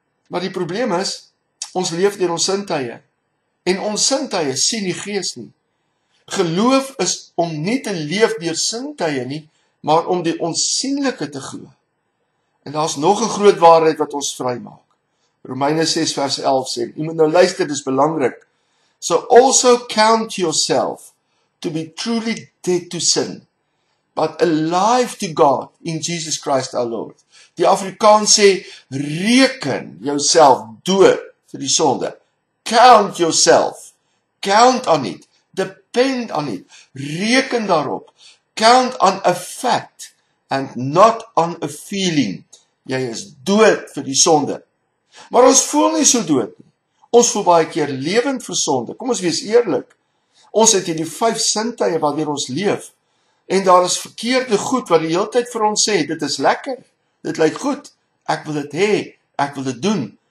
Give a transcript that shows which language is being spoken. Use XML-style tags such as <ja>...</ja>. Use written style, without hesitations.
<af>Maar die probleem is, ons leef deur ons sintuie en ons sintuie sien die Gees nie. Geloof is om nie te leef deur sintuie nie, maar om die onsigbare te glo. En daar is nog een groot waarheid wat ons vry maak. Romeine 6 vers 11 sê, jy moet nou luister, dit is belangrik.</af> <en>So also count yourself to be truly dead to sin, but alive to God in Jesus Christ our Lord.</en> <af>Die Afrikaans sê, reken jouself dood vir die sonde.</af> <en>Count yourself. Count on it. Depend on it.</en> <af>Reken daarop.</af> <en>Count on a fact and not on a feeling.</en> <af>Jy is dood vir die sonde. Maar ons voel nie so dood nie. Ons voel baie keer lewend vir sonde. Kom ons wees eerlik. Ons het hier die vyf sintuie waardeur ons leef. En daar is verkeerde goed wat die hele tyd vir ons sê, dit is lekker. Dit lyk goed. Ek wil dit hê. Ek wil dit doen.</af>